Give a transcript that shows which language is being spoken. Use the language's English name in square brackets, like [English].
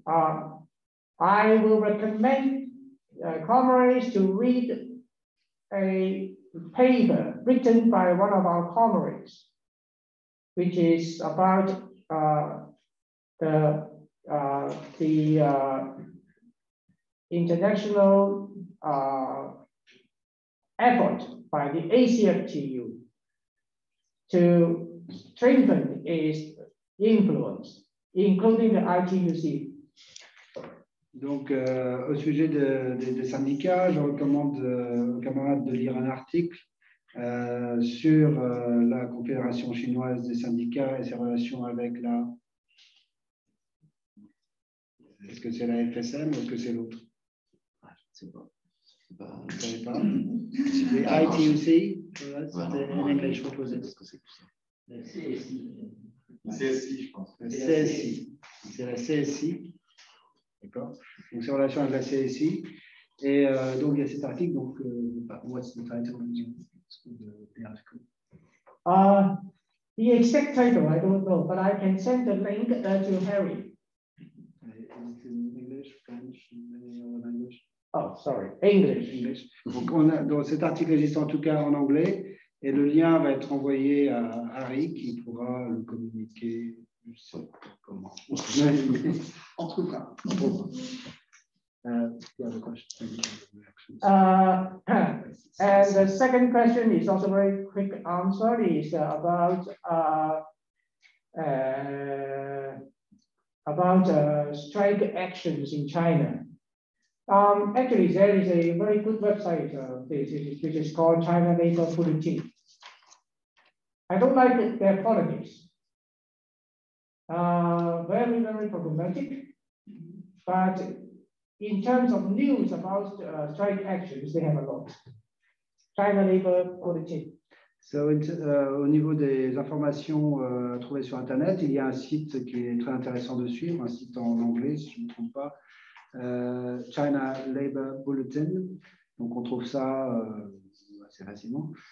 [English] I will recommend comrades to read a paper written by one of our comrades, which is about the international effort by the ACFTU to strengthen its influence, including the ITUC. [French] Donc, au sujet des syndicats, je recommande aux camarades de lire un article sur la Confédération chinoise des syndicats et ses relations avec la... Est-ce que c'est la FSM ou est-ce que c'est l'autre? ITUC, c'est la CSI, d'accord. Donc c'est en relation avec la CSI. Et donc il y a cet article. [English] Donc, what's the title of the article? The exact title, I don't know, but I can send the link to Harry. Is it in English, French, or English? Oh, sorry, English. [French] Donc, cet article existe en tout cas en anglais et le lien va être envoyé à Harry qui pourra le communiquer. Je ne sais pas comment. En tout cas. [English] And the second question is also a very quick answer. It's about strike actions in China. Actually, there is a very good website, which is called China Labor Bulletin. I don't like their politics. Very, very problematic. But in terms of news about strike actions, they have a lot. China Labor Bulletin. [French] So, au niveau des informations trouvées sur Internet, il y a un site qui est très intéressant de suivre, un site en anglais, si je ne me trompe pas. China Labor Bulletin, donc on trouve ça assez facilement.